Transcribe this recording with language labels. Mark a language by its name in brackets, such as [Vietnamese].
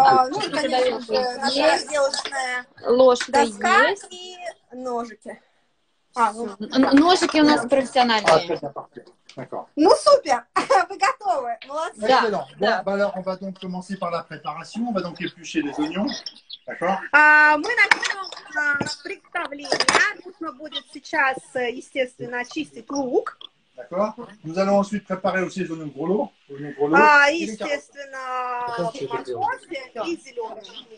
[Russian] Ну, конечно же, наша разделочная доска и ножики. Ножики у нас профессиональные. Ну, супер! Вы готовы? Молодцы! Да. [French] Bon, alors, on va donc commencer par la préparation. On va donc éplucher les oignons. [Russian] Мы начнем представление. Нужно будет сейчас, естественно, очистить лук. [French] D'accord. Nous allons ensuite préparer aussi les oignons grelots. [Russian] Естественно, морковь и зеленый.